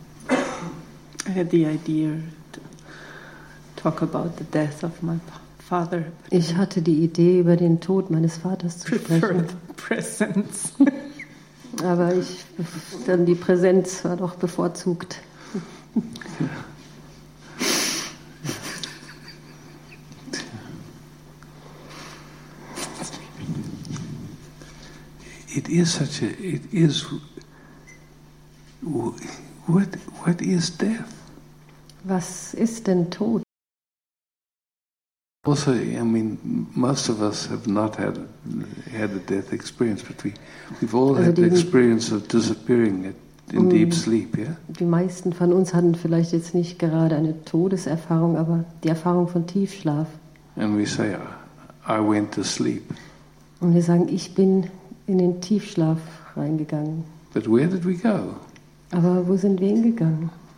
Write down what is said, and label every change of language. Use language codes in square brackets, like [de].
[en] I had the idea to talk about the death of my father. [de] Ich hatte die Idee, über den Tod meines Vaters zu sprechen. [en] Prefer the presence. [de] Aber ich, dann die Präsenz war doch bevorzugt. [en] It is such a, it is, what is death? [de] Was ist denn Tod? [en] Also, I mean, most of us have not had a death experience, but we've all had the experience of disappearing in deep sleep, yeah? [de] Die meisten von uns hatten vielleicht jetzt nicht gerade eine Todeserfahrung, aber die Erfahrung von Tiefschlaf. [en] And we say, I went to sleep. [de] Und wir sagen, ich bin in den Tiefschlaf reingegangen. [en] But where did we go? [de] Aber wo sind wir hingegangen?